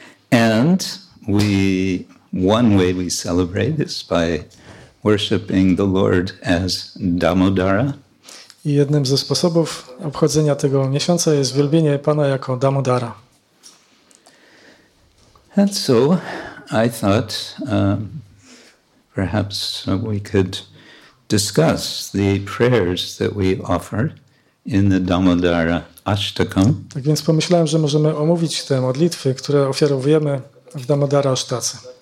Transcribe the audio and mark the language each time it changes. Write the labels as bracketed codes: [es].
[en] And we, one way we celebrate is by worshiping the Lord as Damodara. [pl] I jednym ze sposobów obchodzenia tego miesiąca jest wielbienie Pana jako Damodara. [en] And so I thought perhaps we could discuss the prayers that we offer in the Damodara Ashtakam. [pl] Tak więc pomyślałem, że możemy omówić te modlitwy, które ofiarowujemy w Damodara Ashtace.